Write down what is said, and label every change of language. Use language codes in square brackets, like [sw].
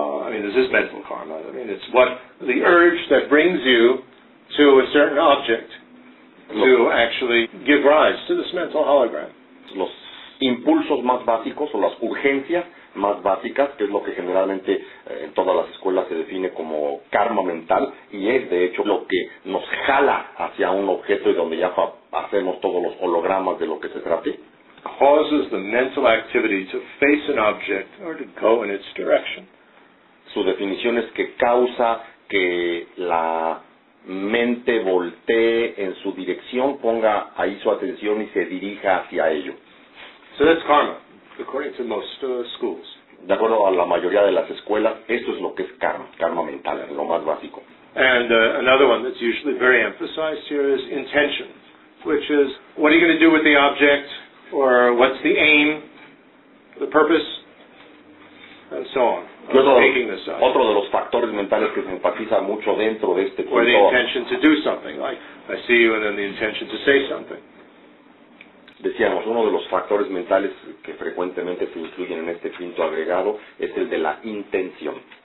[en] This is mental karma. I mean, it's what the urge that brings you to a certain object to actually give rise to this mental hologram. [es] Los impulsos más básicos o las urgencias más básicas, que es lo que generalmente en todas las escuelas se define como karma mental, y es de hecho lo que nos jala hacia un objeto y donde ya hacemos todos los hologramas de lo que se trate. [en] Causes the mental activity to face an object or to go in its direction. [es] Su definición es que causa que la mente voltee en su dirección, ponga ahí su atención y se dirija hacia ello. [en] So that's karma, according to most schools. [es] De acuerdo a la mayoría de las escuelas, eso es lo que es karma, karma mental, es lo más básico. [en] And another one that's usually very emphasized here is intention, which is, what are you going to do with the object, or what's the aim, the purpose, and so on. [es] Otro de los factores mentales que se enfatiza mucho dentro de este punto. [en] Or the intention to do something, like, I see you, and then the intention to say something. [es] Decíamos, uno de los factores mentales que frecuentemente se incluyen en este quinto agregado es el de la intención.